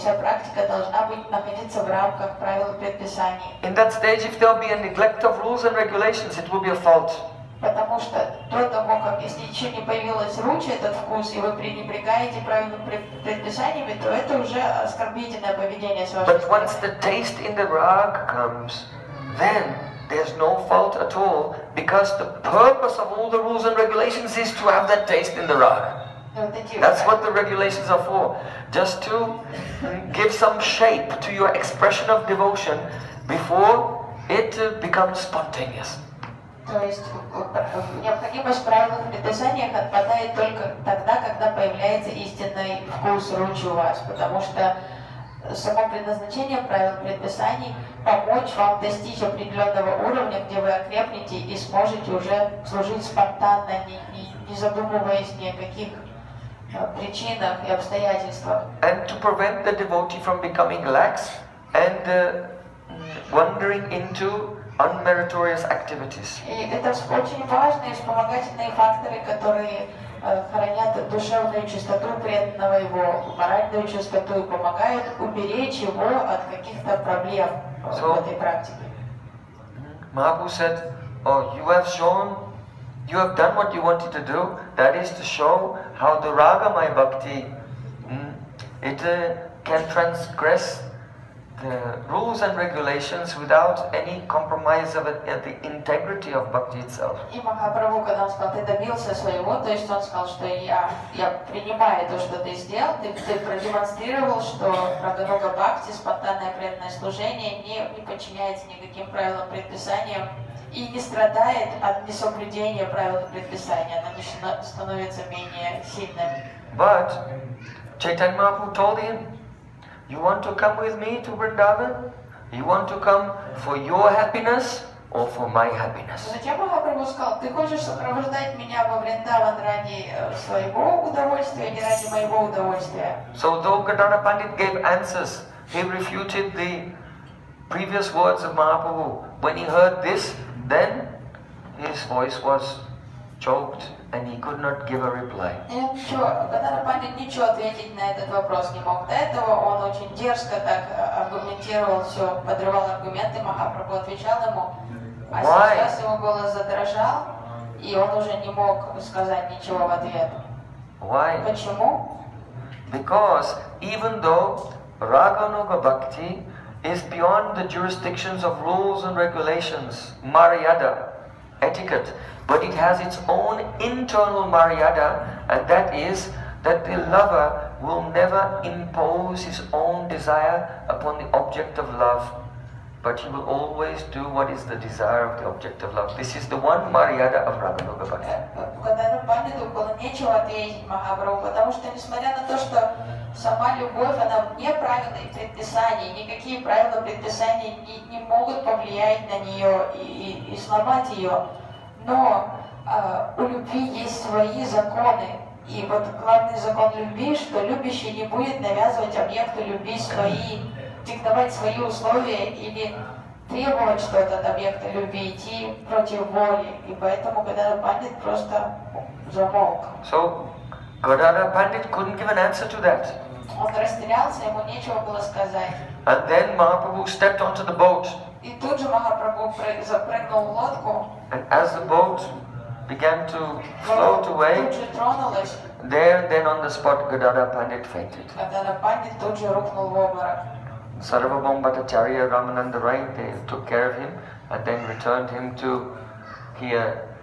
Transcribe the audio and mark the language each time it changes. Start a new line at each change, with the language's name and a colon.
Russian: Вся практика должна быть находиться в рамках правил и предписаний.
English: In that stage, if there'll be a neglect of rules and regulations, it will be a fault.
Russian: Потому что до того, как если еще не появилось ручье, этот вкус, и вы пренебрегаете правилами предписаниями, то это уже оскорбительное поведение с вашей стороны.
English: But once the taste in the rag comes, then there's no fault at all, because the purpose of all the rules and regulations is to have that taste in the rag. That's what the regulations are for, just to give some shape to your expression of devotion before it becomes spontaneous.
Russian: То есть необходимость правил в предписаниях отпадает только тогда, когда появляется истинный вкус ручи у вас, потому что само предназначение правил предписаний помочь вам достичь определенного уровня, где вы окрепнете и сможете уже служить спонтанно, не задумываясь ни о каких
English: and to prevent the devotee from becoming lax and wandering into unmeritorious activities.
Russian: Это очень важные вспомогательные факторы, которые хранят душевную чистоту преданного, его моральную чистоту, и помогают уберечь его от каких-то проблем в этой практике.
English: Mahabhu said, "Oh, you have shown. You have done what you wanted to do, that is to show how the ragamaya bhakti it can transgress the rules and regulations without any compromise of the integrity of bhakti itself."
Russian: И Махапрабху, когда он сказал, ты добился своего, то есть он сказал, что я принимаю то, что ты сделал, ты продемонстрировал, что рагануга бхакти, спонтанное преданное служение, не подчиняется никаким правилам, предписаниям, и не страдает от несоблюдения правил предписания, она становится менее сильным.
English: But Chaitanya Mahaprabhu told him, "You want to come with me to Vrindavan? You want to come for your happiness or for my happiness?"
Russian: Затем Махапрабху сказал, "Ты хочешь сопровождать меня во Вриндаван ради своего удовольствия или ради моего удовольствия?"
English: So though Gadana Pandit gave answers, he refuted the previous words of Mahaprabhu. When he heard this, then his voice was choked and he could not give a reply.
Russian: Gadana Pandit ничего ответить на этот вопрос не мог. До этого он очень дерзко так аргументировал все, подрывал аргументы, Махапрабху отвечал ему. А сейчас его голос задрожал, и он уже не мог сказать ничего в ответ.
English: Why?
Russian: Почему?
English: Because even though Raganuga Bhakti is beyond the jurisdictions of rules and regulations, maryada, etiquette, but it has its own internal maryada, and that is that the lover will never impose his own desire upon the object of love. But you will always do what is the desire of the object of love. This is the one maryada of Radha Loka Bhakti.
Russian: Сама любовь, она вне правил и предписаний, никакие правила предписаний не могут повлиять на нее и сломать ее. Но у любви есть свои законы. И вот главный закон любви, что любящий не будет навязывать объекту любви свои, диктовать свои условия или требовать что-то от объекта любви, идти против воли. И поэтому Гадара Пандит просто замолк.
English: So, Gadara Pandit couldn't give an answer to that.
Russian: Он растерялся, ему нечего было сказать.
English: And then Mahaprabhu stepped onto the boat.
Russian: И тут же Махапрабху запрыгнул в лодку.
English: And as the boat began to float away, there then on the spot Gadara Pandit fainted.
Russian: Gadara Pandit тут же рухнул в обморок.
English: Sarvabhauma Bhattacharya Ramananda Rai, they took care of him and then returned him to here.